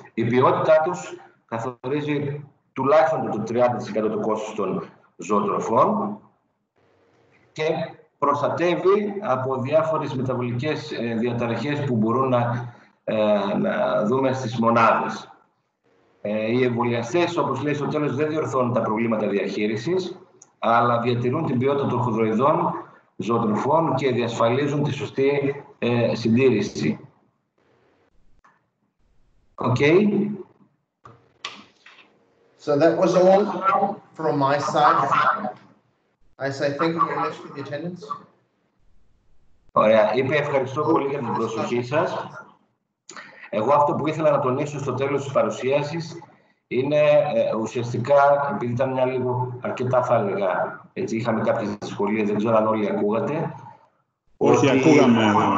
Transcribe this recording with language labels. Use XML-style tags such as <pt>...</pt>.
<el>Η ποιότητά τους καθορίζει τουλάχιστον το 30% του κόστους των ζωοτροφών και προστατεύει από διάφορες μεταβολικές διαταραχές που μπορούν να δούμε στις μονάδες. Οι εμβολιαστές, όπως λέει στο τέλος, δεν διορθώνουν τα προβλήματα διαχείρισης, αλλά διατηρούν την ποιότητα των χονδροειδών ζωοτροφών και διασφαλίζουν τη σωστή συντήρηση.</el> <en>Okay. So that was all from my side. I say thank you very much for the attendance.</en> <el>Ωραία. Είπε ευχαριστώ πολύ για την προσοχή σας. Εγώ αυτό που ήθελα να τονίσω στο τέλος της παρουσίασης είναι ουσιαστικά, επειδή ήταν μια λίγο αρκετά, θα έλεγα, έτσι είχαμε κάποιες δυσκολίες, δεν ξέρω αν όλοι ακούγατε. Όχι, ότι... ακούγαμε.</el>